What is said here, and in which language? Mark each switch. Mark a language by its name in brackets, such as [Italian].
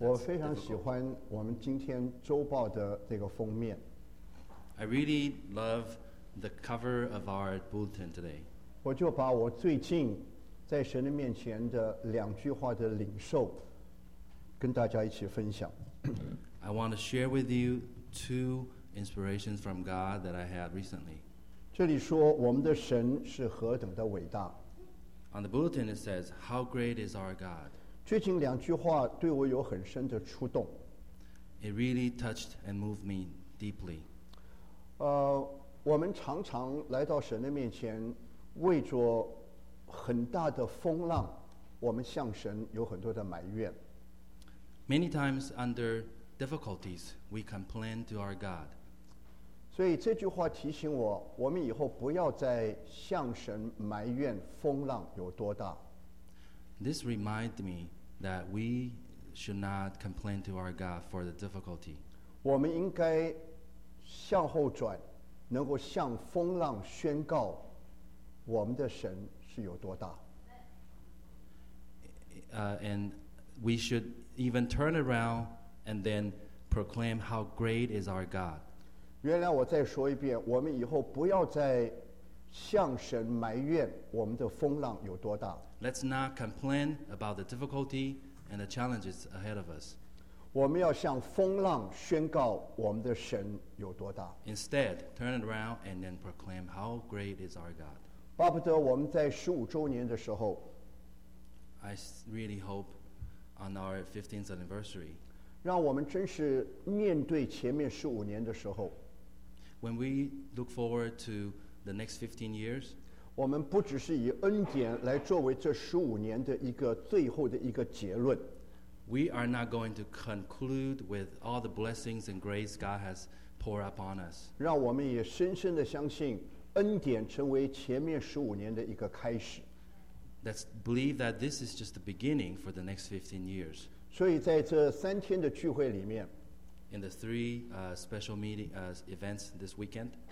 [Chinese] 我非常喜欢我们今天周报的这个封面。 [English] I really love the cover of our bulletin today. [Chinese] 我就把我最近在神的面前的两句话的领受跟大家一起分享。 [English] I want to share with you two inspirations from God that I had recently. [Chinese] 这里说我们的神是何等的伟大。 [English] On the bulletin it says, How great is our God? [Chinese] 最近两句话对我有很深的触动。 [English] It really touched and moved me deeply. [Chinese] 我们常常来到神的面前为着很大的风浪，我们向神有很多的埋怨。 [English] Many times under difficulties, we complain to our God. [Chinese] 所以这句话提醒我，我们以后不要再向神埋怨风浪有多大。 [English] This reminds me that we should not complain to our God for the difficulty. [Chinese] 我们应该向后转，能够向风浪宣告我们的神是有多大。 [English] And we should even turn aroundand then proclaim how great is our God. [Chinese] 原来我再说一遍，我们以后不要再向神埋怨我们的风浪有多大。 [English] Let's not complain about the difficulty and the challenges ahead of us. [Chinese] 我们要向风浪宣告我们的神有多大。 [English] Instead, turn around and then proclaim how great is our God. [Chinese] 巴不得我们在十五周年的时候， [English] I really hope on our 15th anniversary, [Chinese] 让我们真是面对前面十五年的时候， [English] When we look forward to the next 15 years, [Chinese] 我们不只是以恩典来作为这十五年的一个最后的一个结论。 [English] We are not going to conclude with all the blessings and grace God has poured upon us. [Chinese] 让我们也深深地相信恩典成为前面十五年的一个开始。 [English] Let's believe that this is just the beginning for the next 15 years. [Chinese] 所以在这三天的聚会里面， [English] In the three special meeting events this weekend,